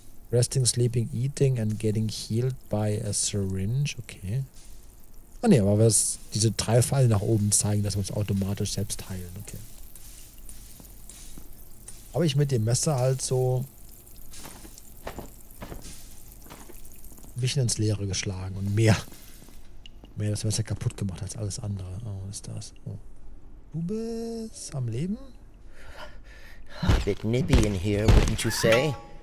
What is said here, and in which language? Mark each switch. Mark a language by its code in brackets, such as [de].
[en] Resting, sleeping, eating and getting healed by a syringe. Okay. [de] Ah ne, aber was diese drei Pfeile nach oben zeigen, dass wir uns automatisch selbst heilen. Okay. Habe ich mit dem Messer halt so ein bisschen ins Leere geschlagen und mehr das Messer kaputt gemacht als alles andere. Oh, was ist das? Oh. Du bist am Leben? [en] A bit nippy in here, wouldn't you say?